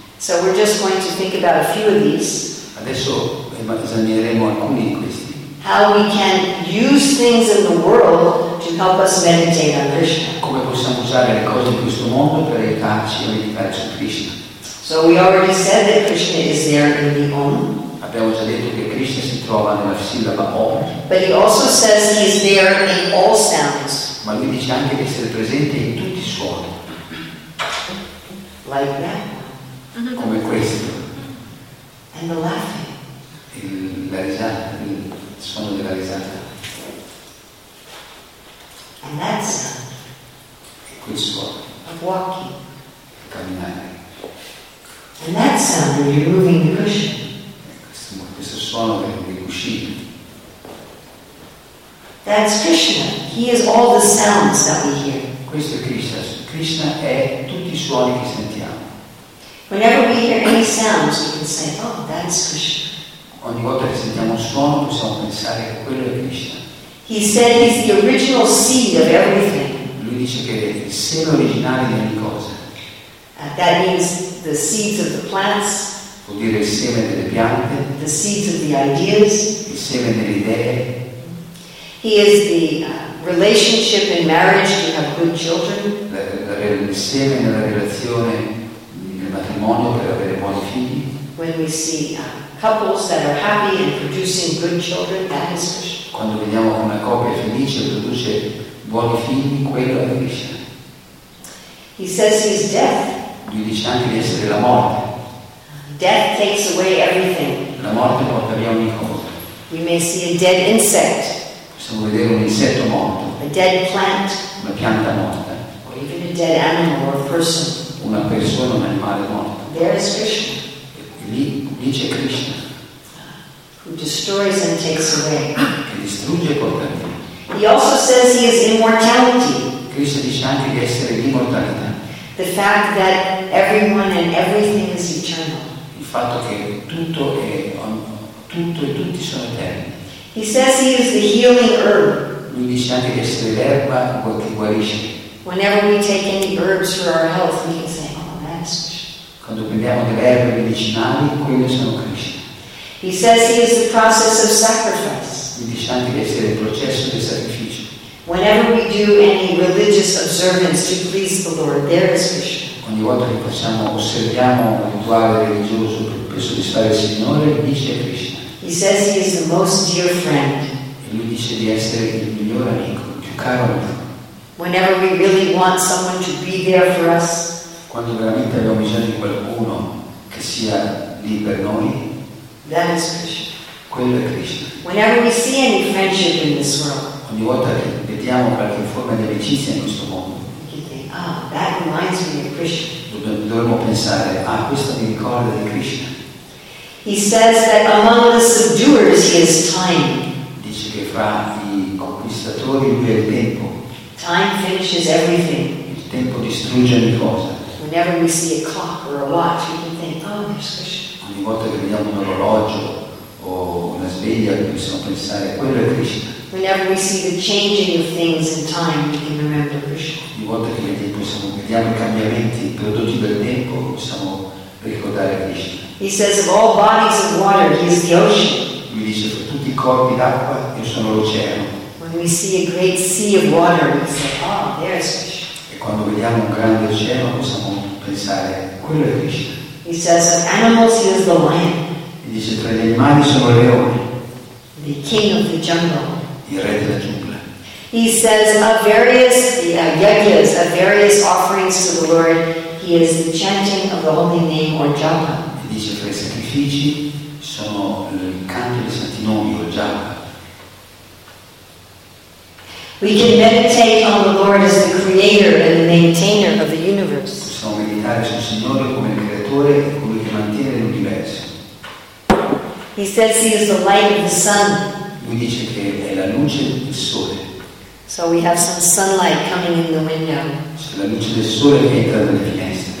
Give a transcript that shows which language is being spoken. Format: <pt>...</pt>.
<en>So we're just going to think about a few of these.</en> <it>Adesso esamineremo alcuni di questi.</it> <en>How we can use things in the world to help us meditate on Krishna.</en> <it>Come possiamo usare le cose in questo mondo per aiutarci a meditare su Krishna?</it> <en>So we already said that Krishna is there in the Om.</en> <it>Abbiamo già detto che Krishna si trova nella sillaba Om.</it> <en>But he also says he is there in all sounds.</en> <it>Ma lui dice anche di essere presente in tutti i suoni.</it> <en>Like that.</en> <it>Come questo.</it> <en>And the laughing.</en> <it>La risata, il suono della risata.</it> <en>And that sound.</en> <it>E quel suono.</it> <en>Of walking.</en> <it>Il camminare.</it> <en>And that sound when you're moving the cushion.</en> <it>Questo suono del cuscino.</it> <en>That's Krishna. He is all the sounds that we hear.</en> <it>Questo è Krishna. Krishna è tutti i suoni che sentiamo.</it> <en>Whenever we hear any sounds, we can say, "Oh, that's Krishna."</en> <it>Ogni volta che sentiamo un suono, possiamo pensare che quello è Krishna.</it> <en>He said he's the original seed of everything.</en> <it>Lui dice che è il seme originale di ogni cosa.</it> <en>That means the seeds of the plants.</en> <it>Vuol dire il seme delle piante.</it> <en>The seeds of the ideas.</en> <it>Il seme delle idee.</it> <en>He is the relationship in marriage to have good children.</en> <it>Insieme nella relazione, nel matrimonio per avere buoni figli.</it> <en>When we see couples that are happy and producing good children, that is Krishna.</en> <it>Quando vediamo una coppia felice e produce buoni figli, quello è Krishna.</it> <en>He says he's death.</en> <it>Lui dice anche di essere la morte.</it> <en>Death takes away everything.</en> <it>La morte porta via ogni cosa.</it> <en>We may see a dead insect.</en> <it>Possiamo vedere un insetto morto.</it> <en>A dead plant.</en> <it>Una pianta morta.</it> <en>Or even a dead animal or a person.</en> <it>Una persona, un animale morto.</it> <en>There is Krishna.</en> <it>Lì c'è Krishna.</it> <en>Who destroys and takes away.</en> <it>Che distrugge e porta via.</it> <en>He also says he is immortality.</en> <it>Krishna dice anche di essere l'immortalità.</it> <en>The fact that everyone and everything is eternal.</en> <it>Il fatto che tutto e tutti sono eterni.</it> <en>He says he is the healing herb.</en> <it>Lui dice anche di essere l'erba che guarisce.</it> <en>Whenever we take any herbs for our health, we can say, "Oh, that's Krishna."</en> <it>Quando prendiamo delle erbe medicinali, quelle sono Krishna.</it> <en>He says he is the process of sacrifice.</en> <it>Lui dice anche di essere il processo del sacrificio.</it> <en>Whenever we do any religious observance to please the Lord, there is Krishna.</en> <it>Ogni volta che osserviamo un rituale religioso per soddisfare il Signore, lì c'è Krishna.</it> <en>He says he is the most dear friend.</en> <it>E lui dice di essere il miglior amico, il più caro amico.</it> <en>Whenever we really want someone to be there for us.</en> <it>Quando veramente abbiamo bisogno di qualcuno che sia lì per noi.</it> <en>That is Krishna.</en> <it>Quello è Krishna.</it> <en>Whenever we see any friendship in this world.</en> <it>Ogni volta che vediamo qualche forma di amicizia in questo mondo.</it> <en>That reminds me of Krishna.</en> <it>Dovremmo pensare, ah, questo mi ricorda di Krishna.</it> <en>He says that among the subduers he is time.</en> <it>Dice che fra i conquistatori lui è il tempo.</it> <en>Time finishes everything.</en> <it>Il tempo distrugge ogni cosa.</it> <en>Whenever we see a clock or a watch, we can think, oh, there's Krishna.</en> <it>Ogni volta che vediamo un orologio o una sveglia, possiamo pensare, quello è Krishna.</it> <en>Whenever we see the changing of things in time, we can remember Krishna.</en> <it>Ogni volta che vediamo i cambiamenti prodotti dal tempo, possiamo ricordare Krishna.</it> <en>He says of all bodies of water, he is the ocean.</en> <it>Mi dice per tutti i corpi d'acqua, io sono l'oceano.</it> <en>When we see a great sea of water, we say, ah, oh, there is Krishna.</en> <it>E quando vediamo un grande oceano, possiamo pensare, quello è Krishna.</it> <en>He says of animals, he is the lion.</en> <it>Mi dice tra gli animali sono leoni.</it> <en>The king of the jungle.</en> <it>Il re della giungla.</it> <en>He says of various yajnas, of various offerings to the Lord, he is the chanting of the holy name or japa.</en> <it>Dice fra i sacrifici sono il canto dei santi nomi o japa.</it> <en>We can meditate on the Lord as the creator and the maintainer of the universe.</en> <it>Possiamo meditare sul Signore come il creatore e colui che mantiene l'universo.</it> <en>He says he is the light of the sun.</en> <it>Lui dice che è la luce del sole.</it> <en>So we have some sunlight coming in the window.</en> <it>Cioè la luce del sole che entra nelle finestre.</it>